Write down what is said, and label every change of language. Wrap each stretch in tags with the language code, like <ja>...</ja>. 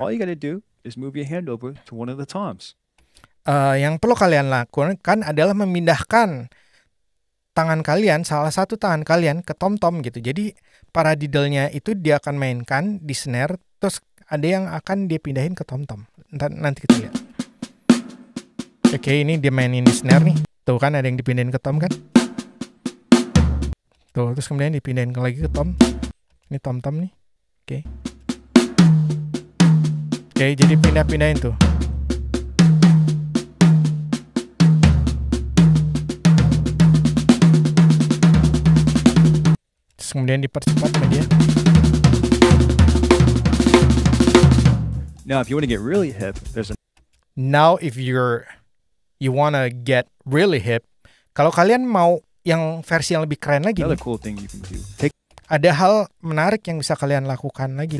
<en>All you gotta do is move your hand over to one of the toms.</en> <id>yang perlu kalian lakukan adalah memindahkan tangan kalian, salah satu tangan kalian ke tom-tom gitu. Jadi paradiddle-nya itu dia akan mainkan di snare, terus ada yang akan dia pindahin ke tom-tom. Nanti kita lihat. Oke, ini dia mainin di snare nih. Tuh kan ada yang dipindahin ke tom kan? Tuh, terus kemudian dipindahin lagi ke tom. Ini tom-tom nih. Oke. Oke, jadi pindah-pindahin tuh. Kemudian dipercepat sama dia.</id> <en>Now if you want to get really hip, there's a Now if you want to get really hip,</en> <id>kalau kalian mau yang versi yang lebih keren lagi.</id> <en>Another cool thing you can do.</en> <id>Ada hal menarik yang bisa kalian lakukan lagi.</id>